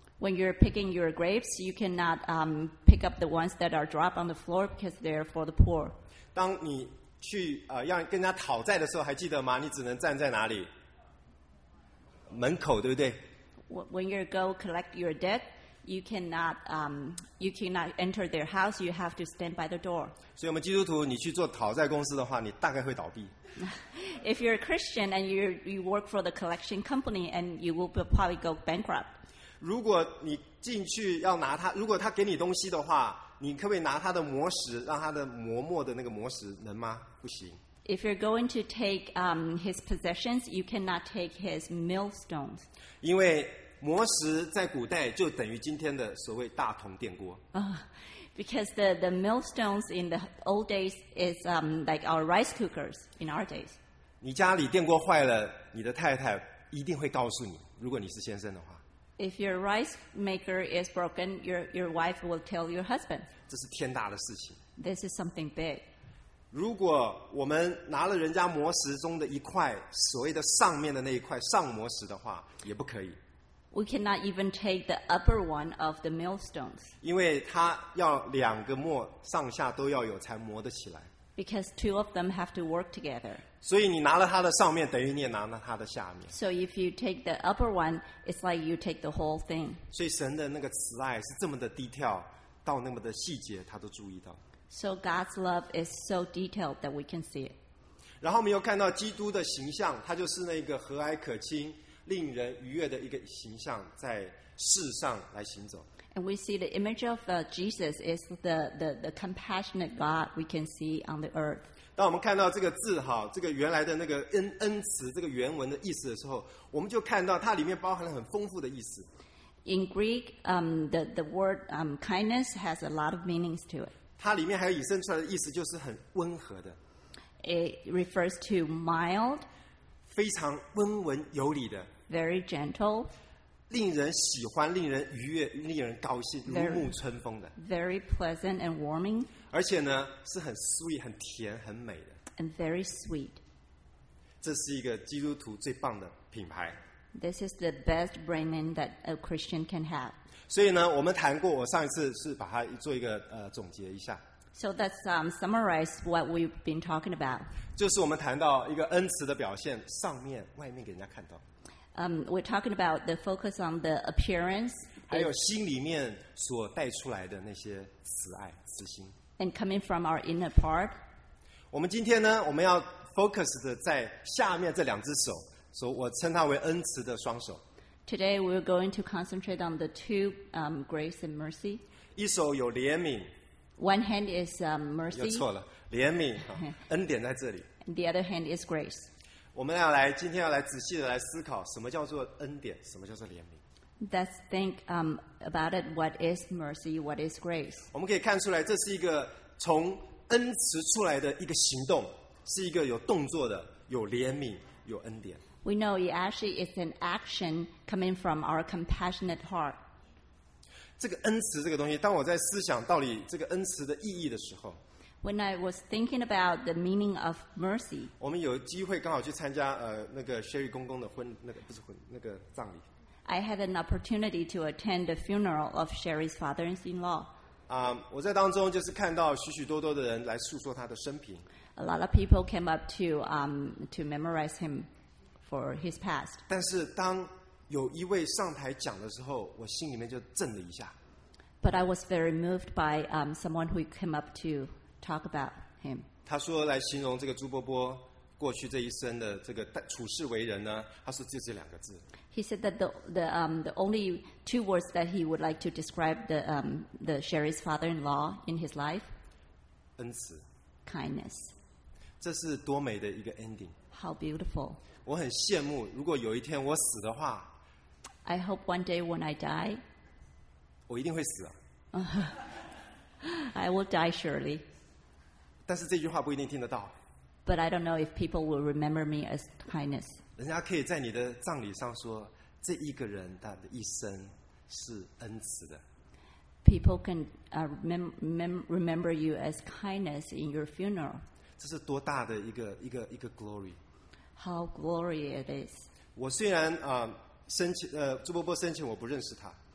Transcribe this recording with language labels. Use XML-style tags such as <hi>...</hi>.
<en>When you're picking your grapes, you cannot pick up the ones that are dropped on the floor because they're for the poor.</en> <zh>当你去要跟人家讨债的时候，还记得吗？你只能站在哪里？门口，对不对？</zh> <en>When you go collect your debt, you cannot enter their house. You have to stand by the door.</en> <zh>所以，我们基督徒，你去做讨债公司的话，你大概会倒闭。</zh> <en>If you're a Christian and you work for the collection company, and you will probably go bankrupt.</en> <zh>如果你进去要拿他，如果他给你东西的话，你可不可以拿他的磨石，让他的磨墨的那个磨石能吗？不行。</zh> <en>If you're going to take his possessions, you cannot take his millstones.</en> <zh>因为磨石在古代就等于今天的所谓大铜电锅。</zh> <en>Because the millstones in the old days is like our rice cookers in our days.</en> <zh>你家里电锅坏了，你的太太一定会告诉你，如果你是先生的话。</zh> <en>If your rice maker is broken, your wife will tell your husband.</en> <zh>这是天大的事情。</zh> <en>This is something big.</en> <zh>如果我们拿了人家磨石中的一块，所谓的上面的那一块上磨石的话，也不可以。</zh> <en>We cannot even take the upper one of the millstones.</en> <zh>因为它要两个磨上下都要有才磨得起来。</zh> <en>Because two of them have to work together.</en> <zh>所以你拿了它的上面，等于你也拿了它的下面。</zh> <en>So if you take the upper one, it's like you take the whole thing.</en> <zh>所以神的那个慈爱是这么的 detail， 到那么的细节，他都注意到。</zh> <en>So God's love is so detailed that we can see it.</en> <zh>然后我们又看到基督的形象，他就是那个和蔼可亲、令人愉悦的一个形象，在世上来行走。</zh> <en>And we see the image of Jesus is the compassionate God we can see on the earth.</en> <zh>当我们看到这个字哈，这个原来的那个恩慈这个原文的意思的时候，我们就看到它里面包含了很丰富的意思。</zh> <en>In Greek, the word kindness has a lot of meanings to it.</en> <zh>它里面还有引申出来的意思就是很温和的。</zh> <en>It refers to mild.</en> <zh>非常温文有礼的。</zh> <en>Very gentle.</en> <zh>令人喜欢、令人愉悦、令人高兴、如沐春风的</zh> <en>，very pleasant and warming，</en> <zh>而且呢是很 sweet、很甜、很美的</zh> <en>，and very sweet。</en> <zh>这是一个基督徒最棒的品牌。</zh> <en>This is the best brand name that a Christian can have。</en> <zh>所以呢，我们谈过，我上一次是把它做一个总结一下。</zh> <en>So that's summarize what we've been talking about。</en> <zh>就是我们谈到一个恩慈的表现，上面、外面给人家看到。</zh> <en>We're talking about the focus on the appearance.</en> <zh>还有心里面所带出来的那些慈爱、慈心。</zh> <en>And coming from our inner part.</en> <zh>我们今天呢，我们要 focus 的在下面这两只手，所以我称它为恩慈的双手。</zh> <en>Today we're going to concentrate on the two grace and mercy.</en> <zh>一手有怜悯。</zh> <en>One hand is mercy.</en> <zh>又错了，怜悯，恩典在这里。</zh> <en>The other hand is grace.</en> <zh>我们要来今天要来仔细的来思考什么叫做恩典，什么叫做怜悯。</zh> <en>Let's think about it. What is mercy? What is grace?</en> <zh>我们可以看出来，这是一个从恩慈出来的一个行动，是一个有动作的，有怜悯，有恩典。</zh> <en>We know it actually is an action coming from our compassionate heart.</en> <zh>这个恩慈这个东西，当我在思想到底这个恩慈的意义的时候。</zh> <en>When I was thinking about the meaning of mercy,</en> <zh>我们有机会刚好去参加那个 Sherry 公公的婚，那个不是婚，那个葬礼。</zh> <en>I had an opportunity to attend the funeral of Sherry's father-in-law.</en> <zh>我在当中就是看到许许多多的人来诉说他的生平。</zh> <en>A lot of people came up to memorize him for his past.</en> <zh>但是当有一位上台讲的时候，我心里面就震了一下。</zh> <en>But I was very moved by someone who came up to. Talk about him.</en> <zh>他说来形容这个朱伯伯过去这一生的这个处事为人呢，他说就这两个字。</zh> <en>He said that the only two words that he would like to describe the Sherry's father-in-law in his life.</en> <zh>恩慈。</zh> <en>Kindness.</en> <zh>这是多美的一个 ending.</zh> <en>How beautiful.</en> <zh>我很羡慕，如果有一天我死的话。</zh> <en>I hope one day when I die.</en> <zh>我一定会死啊。</zh> <en>I will die surely.</en> <zh>但是这句话不一定听得到。</zh> <en>But I don't know if people will remember me as kindness.</en> <zh>人家可以在你的葬礼上说，这一个人他的一生是恩慈的。</zh> <en>People can remember you as kindness in your funeral.</en> <zh>这是多大的一个 glory.</zh> <en>How glorious it is.</en> <zh>我虽然生前朱伯伯生前我不认识他。</zh>